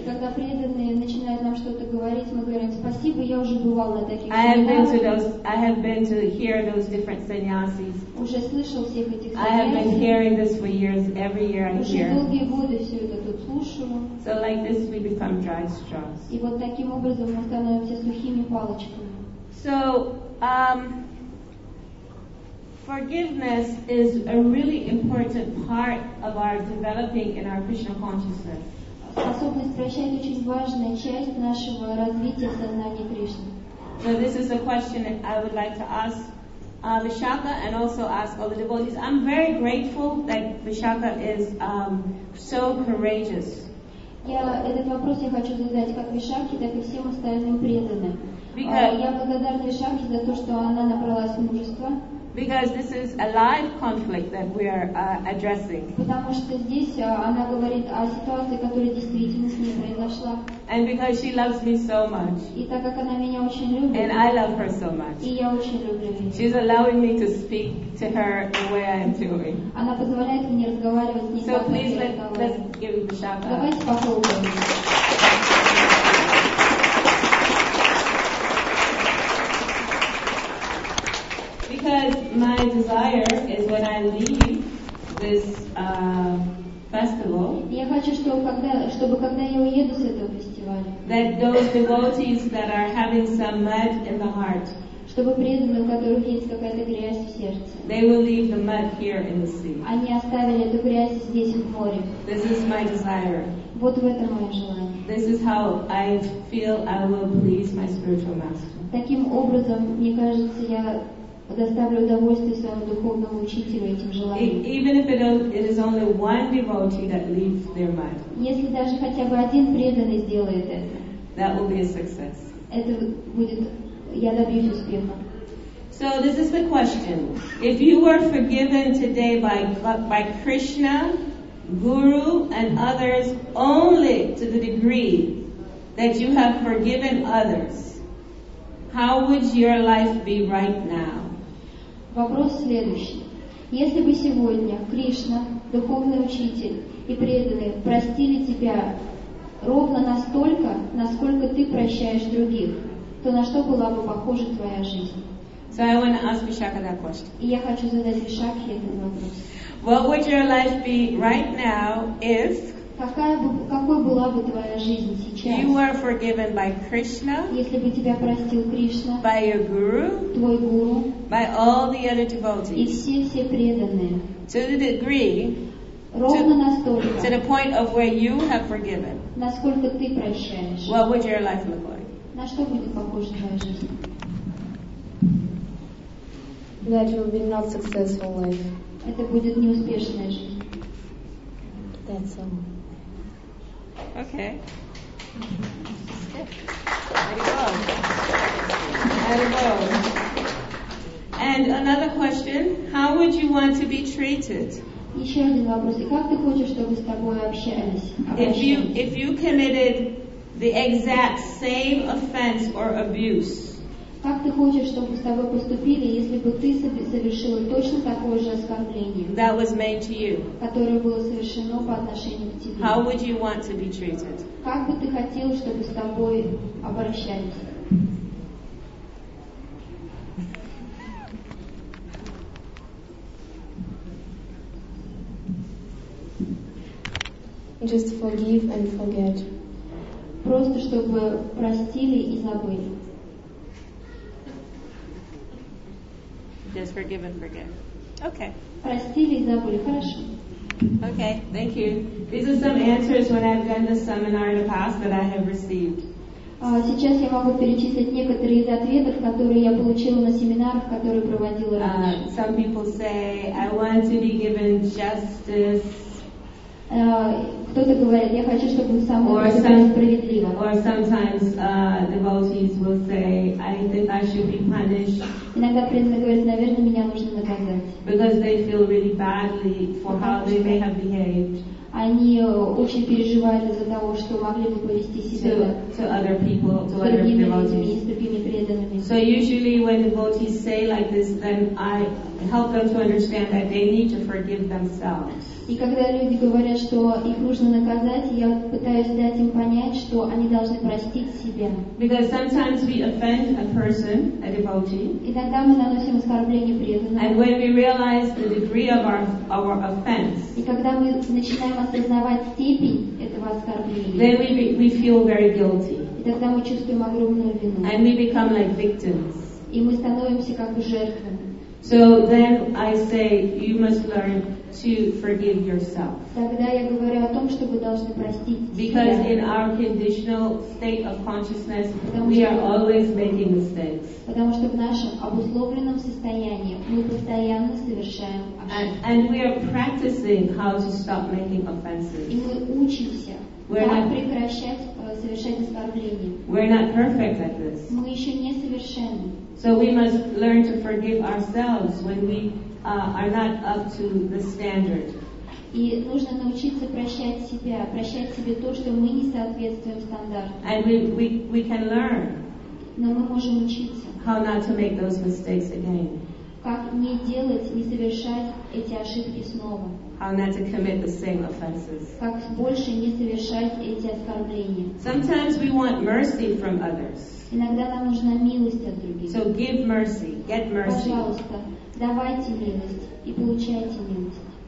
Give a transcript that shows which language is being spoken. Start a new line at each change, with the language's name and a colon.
Russian: И когда преданные начинают нам что-то говорить, мы говорим, спасибо, я уже бывал на таких семинарах.
English: I have been to hear those different sannyasis.
Russian: Уже слышал всех этих
English: sannyasis. I have been hearing this for years, every year I hear.
Russian: Уже долгие годы все это тут слушаю.
English: So like this, we become dry straws.
Russian: И вот таким образом мы становимся сухими палочками.
English: So, forgiveness is a really important part of our developing in our Krishna consciousness.
Russian: Способность прощать очень важная часть нашего развития сознания Кришны.
English: So this is a question I would like to ask Vishakha and also ask all the devotees. I'm very grateful that Vishakha is so courageous.
Russian: Я этот вопрос я хочу задать как Вишакхе, так и всем остальным преданным. Я благодарна Вишакхе за то, что она набрала мужества.
English: Because this is a live conflict that we are addressing.
Russian: Потому что здесь она говорит о ситуации, которая действительно с ней произошла.
English: And because she loves me so much.
Russian: И так как она меня очень любит.
English: And I love her so much.
Russian: И я очень люблю ее.
English: She's allowing me to speak to her the way I am doing.
Russian: Она позволяет мне разговаривать с ней.
English: So please let's give a shout out.
Russian: Давайте попробуем.
English: My desire is when I leave this festival.
Russian: Я хочу, чтобы когда я уеду с этого фестиваля.
English: That those devotees that are having some mud in the heart.
Russian: Чтобы преданные, у которых есть какая-то грязь в сердце.
English: They will leave the mud here in the sea.
Russian: Они оставили эту грязь здесь в море.
English: This is my desire.
Russian: Вот в этом мое желание.
English: This is how I feel I will please my spiritual master.
Russian: Таким образом, мне кажется, я доставлю удовольствие своему духовному учителю этим желанием.
English: Even if it is only one devotee that leaves their mud.
Russian: Если даже хотя бы один преданный сделает это.
English: That will be a success.
Russian: Это будет, я добьюсь успеха.
English: So this is the question. If you were forgiven today by Krishna, Guru and others only to the degree that you have forgiven others, how would your life be right now?
Russian: Вопрос следующий. Если бы сегодня Кришна, духовный учитель и преданные простили тебя ровно настолько, насколько ты прощаешь других, то на что была бы похожа твоя жизнь?
English: So I want to ask Vishakha that question.
Russian: И я хочу задать Вишакхе этот вопрос.
English: What would your life be right now if
Russian: какой была бы твоя жизнь сейчас?
English: You were forgiven by Krishna.
Russian: Если бы тебя простил Кришна.
English: By your guru.
Russian: Твой гуру.
English: By all the other devotees.
Russian: И все преданные.
English: To the degree. To the point of where you have forgiven.
Russian: Насколько ты прощаешь?
English: What would your life look like?
Russian: На что будет похожа твоя жизнь?
English: That will be not successful life.
Russian: Это будет неуспешная жизнь.
English: That's all. Okay. Very well. Very well. And another question, how would you want to be treated?
Russian: Еще один вопрос. И как ты хочешь, чтобы с тобой общались?
English: If you committed the exact same offense or abuse.
Russian: Как ты хочешь, чтобы с тобой поступили, если бы ты совершила точно такое же оскорбление?
English: That was made to you.
Russian: Которое было совершено по отношению к тебе.
English: How would you want to be treated?
Russian: Как бы ты хотел, чтобы с тобой обращались?
English: Just forgive and forget.
Russian: Просто чтобы простили и забыли.
English: Just forgive and forget. Okay.
Russian: Простили и забыли. Хорошо.
English: Okay. Thank you. These are some answers when I've done this seminar in the past that I have received.
Russian: Сейчас я могу перечислить некоторые из ответов, которые я получила на семинарах, которые проводила раньше.
English: Some people say, I want to be given justice.
Russian: Кто-то говорит, я хочу, чтобы со мной было справедливо.
English: Or sometimes devotees will say, I think I should be punished.
Russian: Иногда преданные говорят, наверное, меня нужно наказать.
English: Because they feel really badly for how they may have behaved.
Russian: Они очень переживают из-за того, что могли бы повести себя
English: to other people, to other devotees.
Russian: С другими преданными.
English: So usually when devotees say like this, then I help them to understand that they need to forgive themselves.
Russian: И когда люди говорят, что их нужно наказать, я пытаюсь дать им понять, что они должны простить себя.
English: Because sometimes we offend a person, a devotee.
Russian: Иногда мы наносим оскорбление преданному.
English: And when we realize the degree of our offense.
Russian: И когда мы начинаем осознавать степень этого оскорбления.
English: Then we feel very guilty.
Russian: И тогда мы чувствуем огромную вину.
English: And we become like victims.
Russian: И мы становимся как бы жертвами.
English: So then I say, you must learn to forgive yourself.
Russian: Тогда я говорю о том, что вы должны простить себя.
English: Because in our conditional state of consciousness, we are always making mistakes.
Russian: Потому что в нашем обусловленном состоянии мы постоянно совершаем ошибки.
English: And we are practicing how to stop making offenses.
Russian: И мы учимся, как прекращать совершать оскорбления.
English: We're not perfect at this.
Russian: Мы еще не совершенны.
English: So we must learn to forgive ourselves when we are not up to the standard.
Russian: И нужно научиться прощать себе то, что мы не соответствуем стандарту.
English: And we can learn.
Russian: Но мы можем учиться.
English: How not to make those mistakes again.
Russian: Как не делать, не совершать эти ошибки снова.
English: How not to commit the same offenses.
Russian: Как больше не совершать эти оскорбления.
English: Sometimes we want mercy from others.
Russian: Иногда нам нужна милость от других.
English: So give mercy, get mercy.
Russian: Пожалуйста, давайте милость и получайте милость.